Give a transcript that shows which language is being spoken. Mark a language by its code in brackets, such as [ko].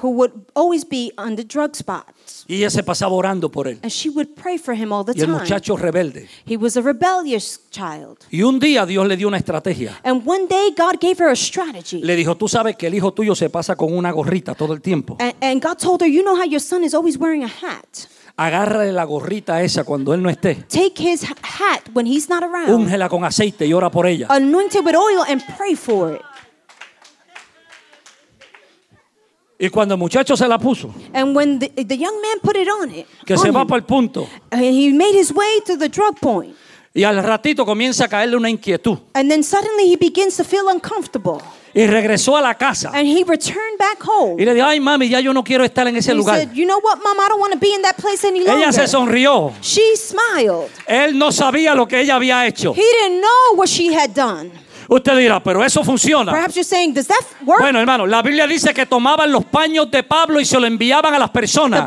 [en] Who would always be on the drug spots. [es] Y ella se pasaba orando por él. [en] And she would pray for him all the time. [es] Y el muchacho rebelde. [en] He was a rebellious child. [es] Y un día Dios le dio una estrategia. [en] And one day God gave her a strategy. [es] Le dijo, tú sabes que el hijo tuyo se pasa con una gorrita todo el tiempo. [en] And God told her, you know how your son is always wearing a hat. [es] Agárrale la gorrita esa cuando él no esté. [en] Take his hat when he's not around. [es] Úngela con aceite y ora por ella. [en] Anoint it with oil and pray for it. [es] Y cuando el muchacho se la puso. [en] And when the young man put it on it. [es] Que [en] on [es] se va para el punto. [en] And he made his way to the drug point. [es] Y al ratito comienza a caerle una inquietud. [en] And then suddenly he begins to feel uncomfortable. [es] Y regresó a la casa. [en] And he returned back home. [es] Y le dijo, ay mami, ya yo no quiero estar en ese [en] he [es] lugar. [en] He said, you know what, mom, I don't want to be in that place any longer. [es] Ella se sonrió. [en] She smiled. [es] Él no sabía lo que ella había hecho. [en] He didn't know what she had done. [es] Usted dirá, pero eso funciona. [en] Perhaps you're saying, does that work? [es] Bueno, hermano, la Biblia dice que tomaban los paños de Pablo y se lo enviaban a las personas.